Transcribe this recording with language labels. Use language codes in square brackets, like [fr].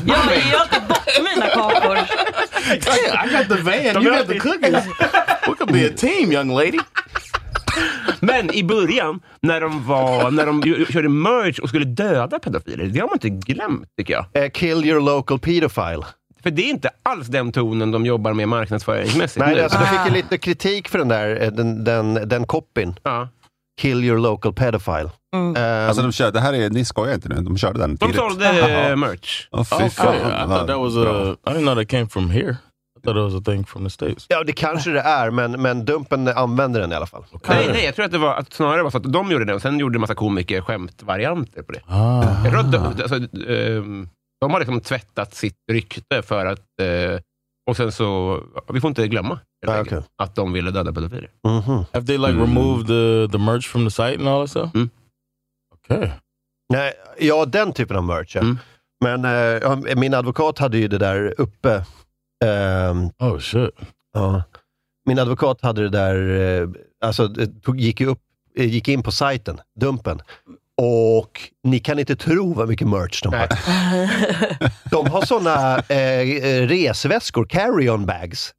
[sv] Ja, jag har inte bott mina kakor. [en] I got the van, you got the cookies. We could be a team, young lady. [sv] Men i början, när de körde merch och skulle döda pedofiler, det har man inte glömt, tycker jag. [en] Kill your local pedophile. [sv] För det är inte alls den tonen de jobbar med marknadsföringsmässigt. Nej, nu. Alltså, de fick ju lite kritik för den där, den koppin. Ja. [en] Kill your local pedophile. [sv] Alltså de körde, det här är, ni skojar inte nu, de körde den tidigt. De sålde merch. Oh, fy fan. [en] I thought that was I didn't know that came from here. I thought it was a thing from the States. [sv] Ja, det kanske det är, men Dumpen använder den i alla fall. [en] Okay. [sv] Nej, jag tror att det var att snarare var så att de gjorde den, och sen gjorde en massa komiker skämtvarianter på det. Ah. Jag tror att de har liksom tvättat sitt rykte för att, och sen så, vi får inte glömma [en] okay. [sv] att de ville döda pedofiler. Mm-hmm. [en] Have they like removed the merch from the site and all that stuff? Mm. Okay. [sv] Nej, ja, den typen av merch. Ja. Mm. Men min advokat hade ju det där uppe. [en] Oh shit. [sv] Ja. Min advokat hade det där, alltså gick in på sajten, Dumpen. Och ni kan inte tro vad mycket merch de har. De har såna resväskor, carry-on bags.